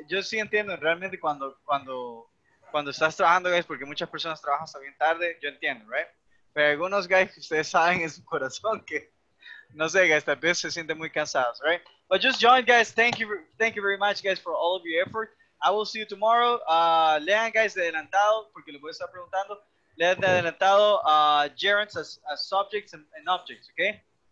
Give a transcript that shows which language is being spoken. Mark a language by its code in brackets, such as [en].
[es] Yo sí entiendo realmente cuando estás trabajando, [en] guys, [es] porque muchas personas trabajan hasta bien tarde, yo entiendo, [en] right? [es] Pero algunos, [en] guys, [es] ustedes saben en su corazón que, no sé, guys, tal vez se sienten muy cansados, [en] right? But just join, guys. Thank you very much, guys, for all of your effort. I will see you tomorrow. [es] Lean, [en] guys, [es] de adelantado, porque les voy a estar preguntando. Lean de adelantado [en] gerunds as subjects and objects, okay?